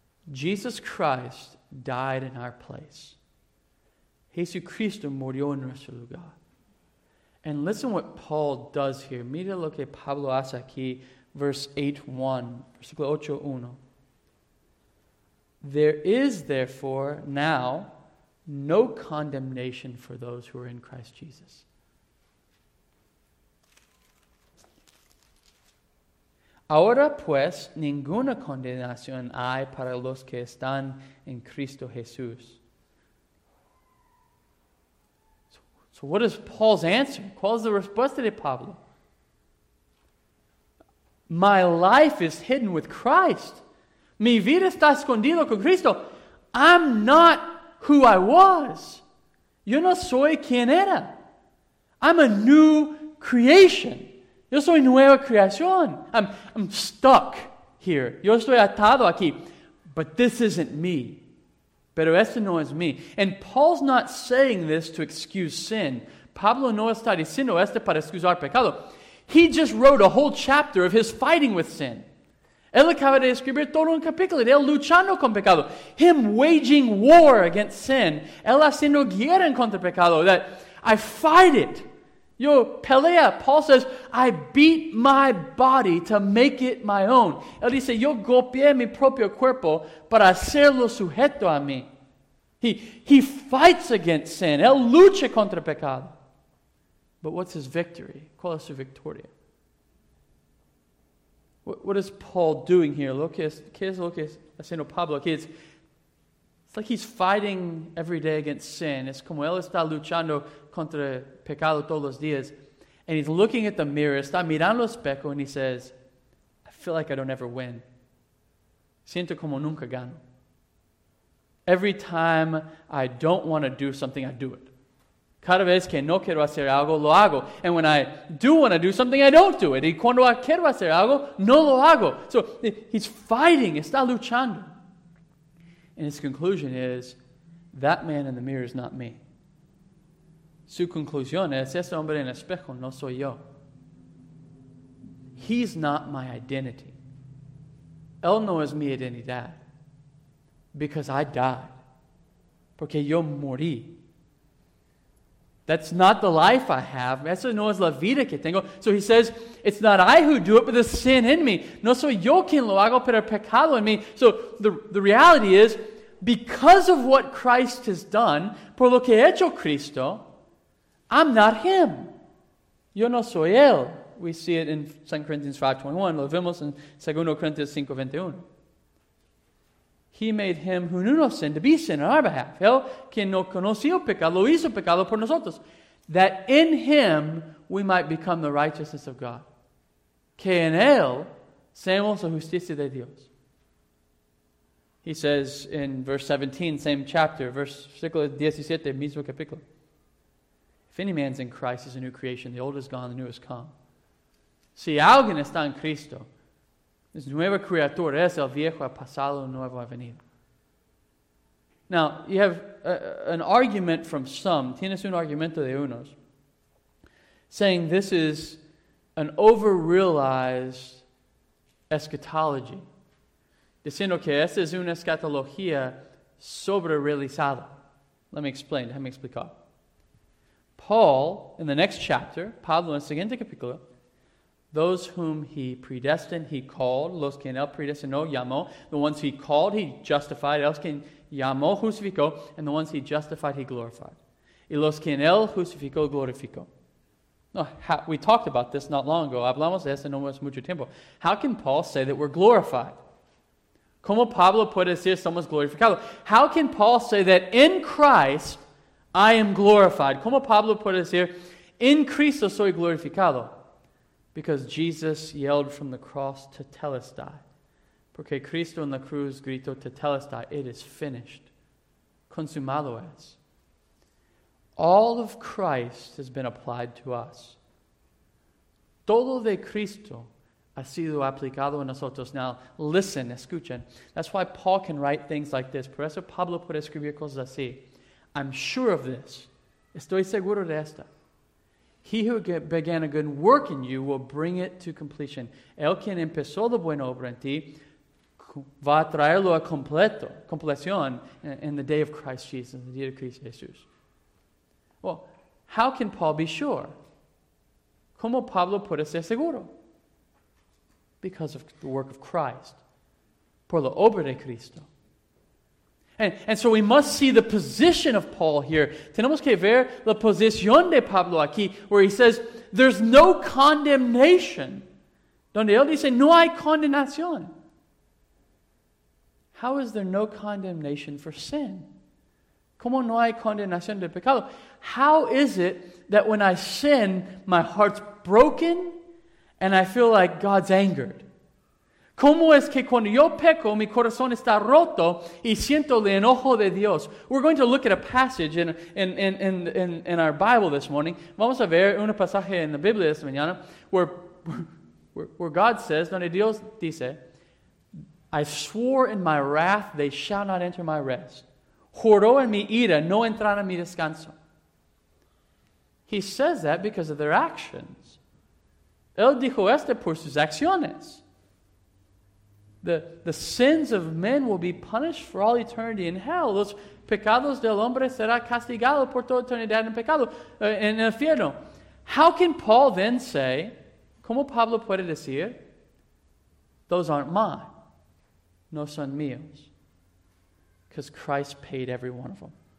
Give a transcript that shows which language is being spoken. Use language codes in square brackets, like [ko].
[en] Jesus Christ died in our place. [es] Jesucristo murió en nuestro lugar. [en] And listen what Paul does here. [es] Mira lo que Pablo hace aquí, versículo 8:1. [en] There is therefore now no condemnation for those who are in Christ Jesus. [es] Ahora pues, ninguna condenación hay para los que están en Cristo Jesús. [en] So what is Paul's answer? [es] ¿Cuál es la respuesta de Pablo? [en] My life is hidden with Christ. [es] Mi vida está escondida con Cristo. [en] I'm not who I was. [es] Yo no soy quien era. [en] I'm a new creation. [es] Yo soy nueva creación. [en] I'm stuck here. [es] Yo estoy atado aquí. [en] But this isn't me. [es] Pero esto no es mí. [en] And Paul's not saying this to excuse sin. [es] Pablo no está diciendo esto para excusar pecado. [en] He just wrote a whole chapter of his fighting with sin. [es] Él acaba de escribir todo un capítulo de él luchando con pecado. [en] Him waging war against sin. [es] Él haciendo guerra en contra pecado. [en] That I fight it. [es] Yo pelea. [en] Paul says, I beat my body to make it my own. [es] Él dice, yo golpeé mi propio cuerpo para hacerlo sujeto a mí. [en] He fights against sin. [es] Él lucha contra pecado. [en] But what's his victory? [es] ¿Cuál es su victoria? [en] What is Paul doing here? [es] ¿Qué es haciendo Pablo? [en] It's like he's fighting every day against sin. [es] Es como él está luchando contra pecado todos los días. [en] And he's looking at the mirror, [es] está mirando el espejo, [en] and he says, I feel like I don't ever win. [es] Siento como nunca gano. [en] Every time I don't want to do something, I do it. [es] Cada vez que no quiero hacer algo, lo hago. [en] And when I do want to do something, I don't do it. [es] Y cuando quiero hacer algo, no lo hago. [en] So he's fighting, [es] está luchando. [en] And his conclusion is, that man in the mirror is not me. [es] Su conclusión es, ese hombre en el espejo no soy yo. [en] He's not my identity. [es] Él no es mi identidad. [en] Because I died. [es] Porque yo morí. [en] That's not the life I have. [es] Eso no es la vida que tengo. [en] So he says, it's not I who do it, but the sin in me. [es] No soy yo quien lo hago, pero el pecado en mí. [en] So the reality is, because of what Christ has done, [es] por lo que ha hecho Cristo, [en] I'm not him. [es] Yo no soy él. [en] We see it in 2 Corinthians 5:21. [es] Lo vemos en [en] 2 Corinthians 5:21. He made him who knew no sin to be sin on our behalf. [es] Él, quien no conoció pecado, lo hizo pecado por nosotros. [en] That in him we might become the righteousness of God. [es] Que en él seamos la justicia de Dios. [en] He says in verse 17, same chapter, [es] versículo 17, mismo capítulo. [en] If any man's in Christ, he's a new creation. The old is gone, the new has come. [es] Si alguien está en Cristo, es nuevo creador, es el viejo ha pasado, nuevo ha venido. [en] Now, you have an argument from some, [es] tienes un argumento de unos, [en] saying this is an over-realized eschatology. [es] Diciendo que esta es una escatología sobre-realizada. [en] Let me explain, [es] déjame explicar. [en] Paul, in the next chapter, [es] Pablo, en el siguiente capítulo, [en] those whom he predestined, he called. [es] Los que en él predestinó, llamó. [en] The ones he called, he justified. [es] Los que llamó, justificó. [en] And the ones he justified, he glorified. [es] Y los que en él justificó, glorificó. [en] We talked about this not long ago. [es] Hablamos de eso no hace mucho tiempo. [en] How can Paul say that we're glorified? [es] ¿Cómo Pablo puede decir somos glorificados? [en] How can Paul say that in Christ, I am glorified? [es] ¿Cómo Pablo puede decir, en Cristo soy glorificado? [en] Because Jesus yelled from the cross, [es] tetelestai. Porque Cristo en la cruz gritó tetelestai, [en] it is finished, [es] consumado es. [en] All of Christ has been applied to us. [es] Todo de Cristo ha sido aplicado en nosotros. [en] Now, listen, [es] escuchen. [en] That's why Paul can write things like this. [es] Por eso Pablo puede escribir cosas así. [en] I'm sure of this. [es] Estoy seguro de esta. [en] He who began a good work in you will bring it to completion. [es] El quien empezó la buena obra en ti va a traerlo a completo, completion, [en] in the day of Christ Jesus, in the day of Christ Jesus. Well, how can Paul be sure? [es] ¿Cómo Pablo puede ser seguro? [en] Because of the work of Christ. [es] Por la obra de Cristo. [en] And so we must see the position of Paul here. [es] Tenemos que ver la posición de Pablo aquí, [en] where he says, there's no condemnation. [es] Donde él dice, no hay condenación. [en] How is there no condemnation for sin? [es] ¿Cómo no hay condenación de pecado? [en] How is it that when I sin, my heart's broken and I feel like God's angered? [es] ¿Cómo es que cuando yo peco, mi corazón está roto y siento el enojo de Dios? [en] We're going to look at a passage in our Bible this morning. [es] Vamos a ver un pasaje en la Biblia esta mañana [en] where God says, [es] donde Dios dice, [en] I swore in my wrath, they shall not enter my rest. [es] Juró en mi ira, no entrar en mi descanso. [en] He says that because of their actions. [es] Él dijo esto por sus acciones. [en] The sins of men will be punished for all eternity in hell. [es] Los pecados del hombre será castigado por toda eternidad en pecado, en el infierno. [en] How can Paul then say, [es] ¿cómo Pablo puede decir? [en] Those aren't mine. [es] No son míos. [en] Because Christ paid every one of them.